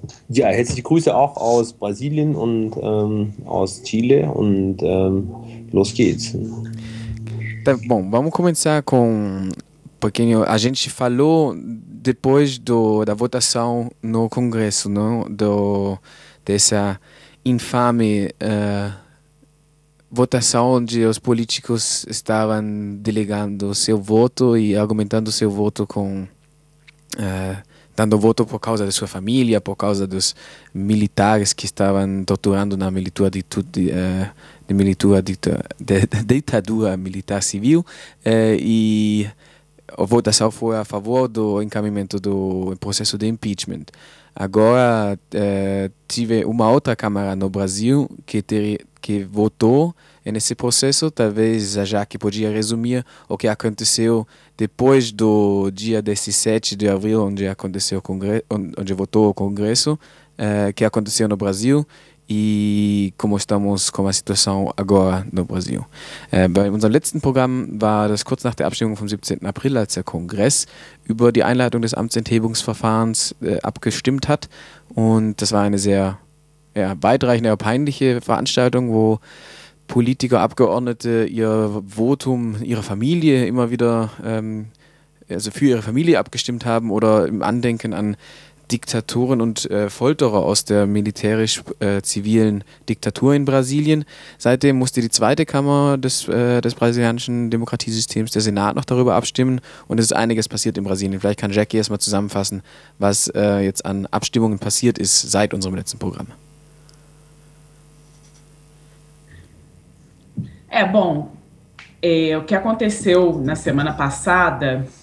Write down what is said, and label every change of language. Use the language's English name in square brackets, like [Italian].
[German] Ja, herzliche Grüße auch aus Brasilien und aus Chile, und los geht's. [Portuguese] Tá bom, vamos começar com um pouquinho. A gente falou depois da votação no Congresso, não? Dessa infame votação onde os políticos estavam delegando seu voto e argumentando seu voto com... dando voto por causa da sua família, por causa dos militares que estavam torturando na ditadura militar civil. E a votação foi a favor do encaminhamento do processo de impeachment. Agora, tive uma outra Câmara no Brasil que votou nesse processo. Talvez a Jaque podia resumir o que aconteceu depois do dia 17 de abril, onde aconteceu o Congresso, onde votou o Congresso, que aconteceu no Brasil e como estamos com a situação agora no Brasil. [German] Bei unserem letzten Programm war das kurz nach der Abstimmung vom 17. April, als der Kongress über die Einleitung des Amtsenthebungsverfahrens abgestimmt hat. Und das war eine sehr weitreichende, peinliche Veranstaltung, wo Politiker, Abgeordnete ihr Votum ihrer Familie immer wieder für ihre Familie abgestimmt haben, oder im Andenken an Diktatoren und Folterer aus der militärisch-zivilen Diktatur in Brasilien. Seitdem musste die zweite Kammer des brasilianischen Demokratiesystems, der Senat, noch darüber abstimmen, und es ist einiges passiert in Brasilien. Vielleicht kann Jackie erstmal zusammenfassen, was jetzt an Abstimmungen passiert ist seit unserem letzten Programm. [Portuguese] O que aconteceu na semana passada